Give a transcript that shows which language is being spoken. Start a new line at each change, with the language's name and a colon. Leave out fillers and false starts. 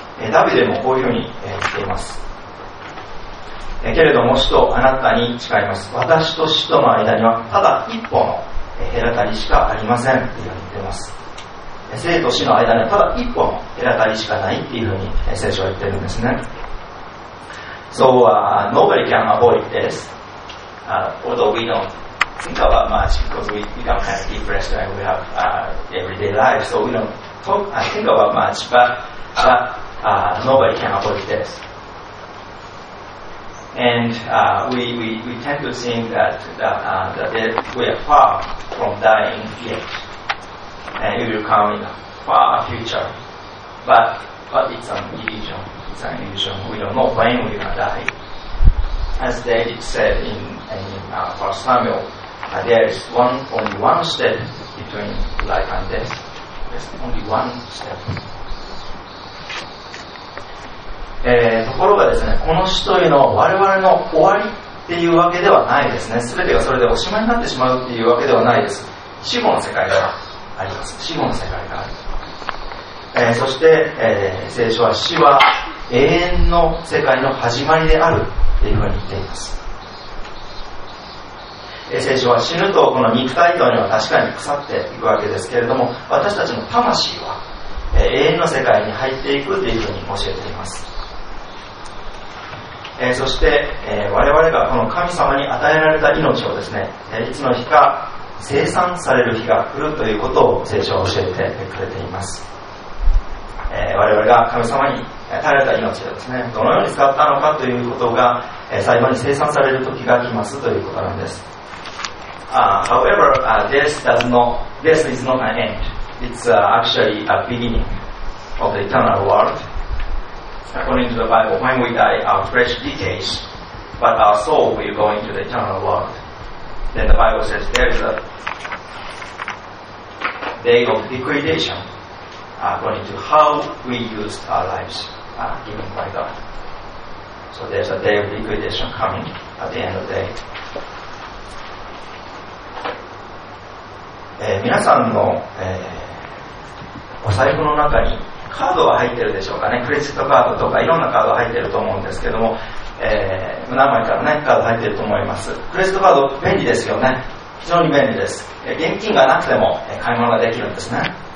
Japanese: ダビデもこういうふうに言っています。けれども死とあなたに誓います、私と死との間にはただ一歩の隔たりしかありませんというふうに言っています。生と死の間にはただ一歩の隔たりしかないというふうに聖書は言っているんですね。
English: So nobody can avoid this, although we don't think about much because we become kind of depressed and we have everyday life, so we don't think about much, but nobody can avoid this. And we tend to think that death, we are far from dying yet, and it will come in a far future, but it's an illusion. An illusion. We don't know when we're going to die. As David said in 1 Samuel, there is only one step between life and death. There's only one step.
Japanese: ところがですね、この死というのは我々の終わりっていうわけではないですね。全てがそれでおしまいになってしまうっていうわけではないです。死後の世界があります。死後の世界がある。そして、聖書は死は永遠の世界の始まりであるというふうに言っています。聖書は死ぬとこの肉体というのは確かに腐っていくわけですけれども、私たちの魂は永遠の世界に入っていくというふうに教えています。そして、我々がこの神様に与えられた命をですね、いつの日か生産される日が来るということを聖書は教えてくれています。我々が神様に与えられた命をですね、どのように使ったのかということが、最後に生産される時が来ますということなんです。
English: However, this is not an end. It's actually a beginning of the eternal world. According to the Bible, when we die, our flesh decays, but our soul will go into the eternal world. Then the Bible says there is a day of degradation according to how we used our lives given by God. So there's a day of degradation coming at the end of the day.
Japanese: 皆さんの、お財布の中にカードは入ってるでしょうかね。クレジットカードとかいろんなカード入ってると思うんですけども、何枚かの、ね、カード入ってると思います。クレジットカード便利ですよね。非常に便利です。現金がなくても買い物ができるんですね。